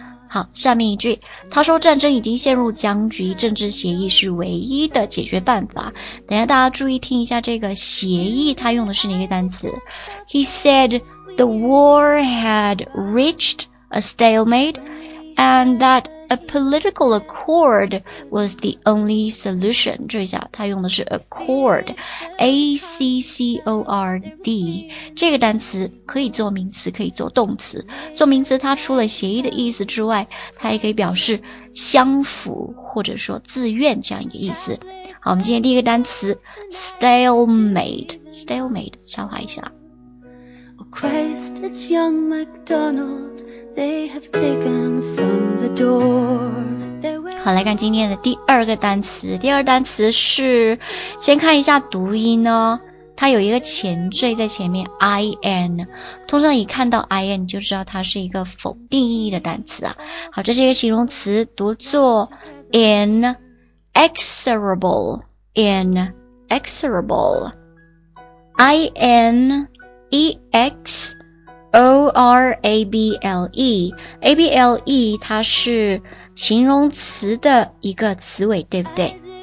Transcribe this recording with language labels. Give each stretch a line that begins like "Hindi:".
Chinese: 好，下面一句，他说战争已经陷入僵局，政治协议是唯一的解决办法。等一下大家注意听一下这个协议，他用的是哪个单词。
English: He said the war had reached a stalemate and that a political accord was the only solution.
Chinese: 注意一下，他用的是 accord, A-C-C-O-R-D。这个单词可以做名词，可以做动词。做名词，它除了协议的意思之外，它也可以表示相符或者说自愿这样一个意思。好，我们今天第一个单词 stalemate, stalemate, 消化一下。
English: Oh Christ, it's young MacDonald, they have taken from the door.
Chinese: 好，来看今天的第二个单词。第二单词是，先看一下读音哦，它有一个前缀在前面 ,in。通常一看到 in, 就知道它是一个否定意义的单词啊。好，这是一个形容词，读作 inexorable, inexorable, in,E-X-O-R-A-B-L-E A-B-L-E 它是形容词的一个词尾，对不对？